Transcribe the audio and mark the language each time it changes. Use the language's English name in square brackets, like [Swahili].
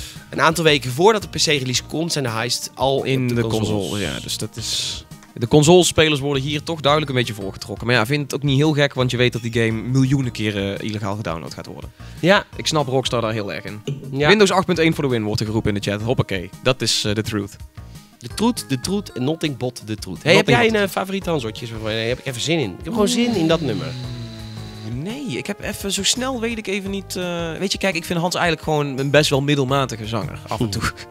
[Dutch] Een aantal weken voordat de PC-release komt, zijn de heist al in de console. Ja, dus dat is... De consolespelers worden hier toch duidelijk een beetje voorgetrokken. Maar ja, vind het ook niet heel gek, want je weet dat die game miljoenen keren illegaal gedownload gaat worden. Ja. Ik snap Rockstar daar heel erg in. Ja. Windows 8.1 [English] for the win [Dutch] wordt er geroepen in de chat. Hoppakee. Dat is [English] the truth. The truth, and nothing but the truth. [Dutch] Hey, heb jij een favoriete Hansotjes? Nee, heb ik even zin in. Ik heb gewoon zin in dat nummer. Nee, ik heb even zo snel, weet ik even niet... weet je, kijk, ik vind Hans eigenlijk gewoon een best wel middelmatige zanger, af en toe.